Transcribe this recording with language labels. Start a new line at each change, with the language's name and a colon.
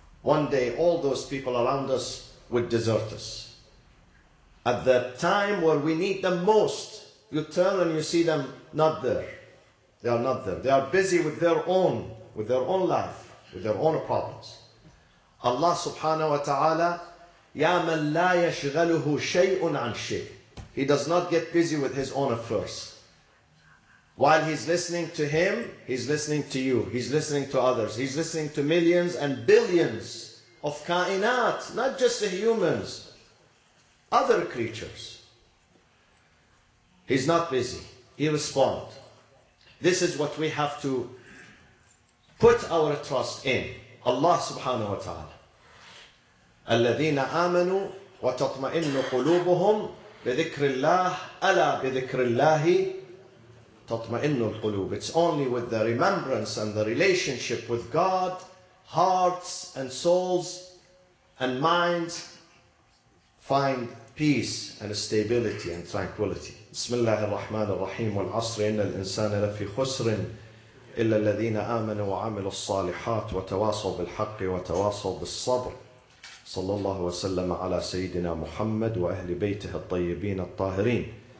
English: One day all those people around us would desert us. At the time where we need them most, you turn and you see them not there. They are not there. They are busy with their own life, with their own problems.
Arabic: Allah subhanahu wa ta'ala, يَا مَنْ لَا يَشْغَلُهُ شَيْءٌ عَنْ شَيْءٍ.
English: He does not get busy with his own affairs. While he's listening to him, he's listening to you. He's listening to others. He's listening to millions and billions of kainat, not just the humans, other creatures. He's not busy. He responds. This is what we have to put our trust in.
Arabic: Allah subhanahu wa ta'ala. الَّذِينَ آمَنُوا وَتَطْمَئِنُّ قُلُوبُهُمْ بِذِكْرِ اللَّهِ أَلَا بِذِكْرِ اللَّهِ تَطْمَئِنُّ الْقُلُوبِ.
English: It's only with the remembrance and the relationship with God, hearts and souls and minds find peace and stability and tranquility.
Arabic: بسم الله الرحمن الرحيم والعصر إن الإنسان لفي خسر إلا الذين آمنوا وعملوا الصالحات وتواصوا بالحق وتواصوا بالصبر. صلى الله وسلم على سيدنا محمد وأهل بيته الطيبين الطاهرين.